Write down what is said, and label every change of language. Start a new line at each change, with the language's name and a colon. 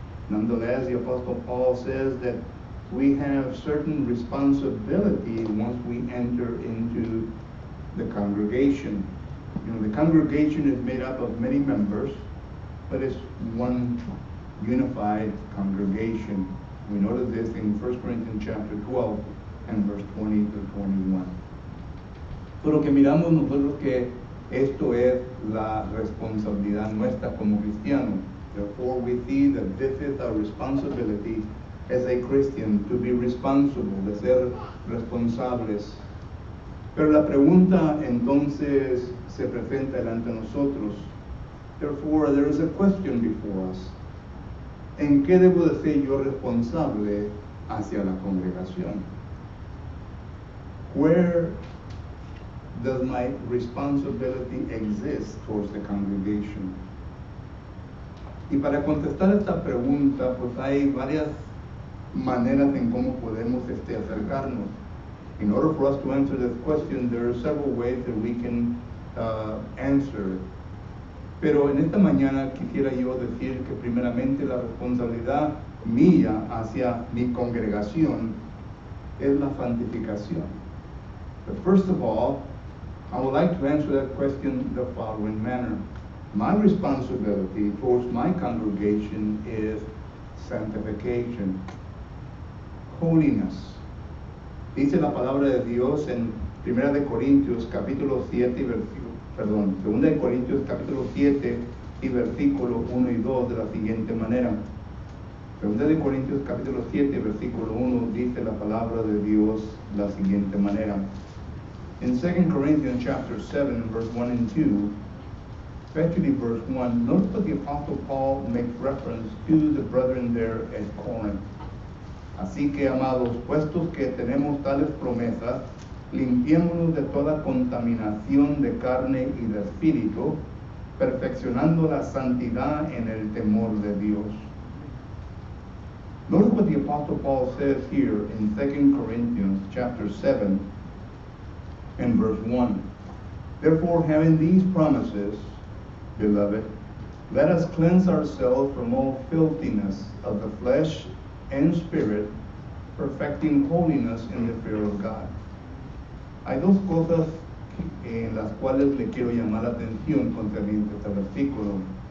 English: Nonetheless, the Apostle Paul says that we have certain responsibility once we enter into the congregation. You know, the congregation is made up of many members, but it's one unified congregation. We noted this in 1 Corinthians chapter 12 and verse 20 to 21.
Spanish: Pero que miramos nosotros que esto es la responsabilidad nuestra como cristianos.
English: Therefore, we see that this is our responsibility as a Christian, to be responsible,
Spanish: de ser responsables. Pero la pregunta entonces se presenta delante de nosotros.
English: Therefore, there is a question before us.
Spanish: ¿En qué debo de ser yo responsable hacia la congregación?
English: Where does my responsibility exist towards the congregation?
Spanish: Y para contestar esta pregunta, pues hay varias maneras en cómo podemos acercarnos.
English: In order for us to answer this question, there are several ways that we can answer.
Spanish: Pero en esta mañana quisiera yo decir que primeramente la responsabilidad mía hacia mi congregación es la santificación.
English: But first of all, I would like to answer that question the following manner. My responsibility towards my congregation is sanctification, holiness.
Spanish: Dice la palabra de Dios en Primera de Corintios capítulo 7 y versículo, perdón, Segunda de Corintios capítulo 7 y versículo 1 y 2 de la siguiente manera. Segunda de Corintios capítulo 7 y versículo 1 dice la palabra de Dios de la siguiente manera.
English: In 2 Corinthians chapter 7 verse 1 and 2, especially verse 1, note that the apostle Paul makes reference to the brethren there at Corinth.
Spanish: Así que, amados, puestos que tenemos tales promesas, limpiémonos de toda contaminación de carne y de espíritu, perfeccionando la santidad en el temor de Dios.
English: Notice what the apostle Paul says here in 2 Corinthians chapter 7 and verse 1. Therefore, having these promises, beloved, let us cleanse ourselves from all filthiness of the flesh and spirit, perfecting holiness in the fear of God.
Spanish: Hay dos cosas en las cuales le quiero llamar la atención concerniente este versículo.